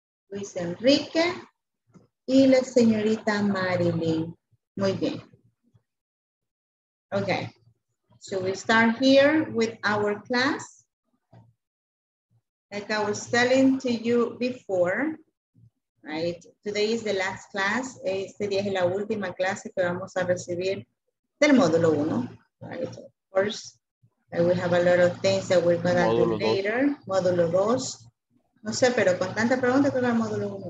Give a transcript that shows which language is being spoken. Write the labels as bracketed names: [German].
[Spanish] Luis Enrique. Y la señorita Marilyn. Muy bien. Okay. [English] So we start here with our class. Like I was telling to you before, right? Today is the last class. [Spanish] Este día es la última clase que vamos a recibir del módulo 1. [English] Right? Of course, we have a lot of things that we're going to do later. [Spanish] Módulo 2. No sé, pero con tanta pregunta que va al módulo 1.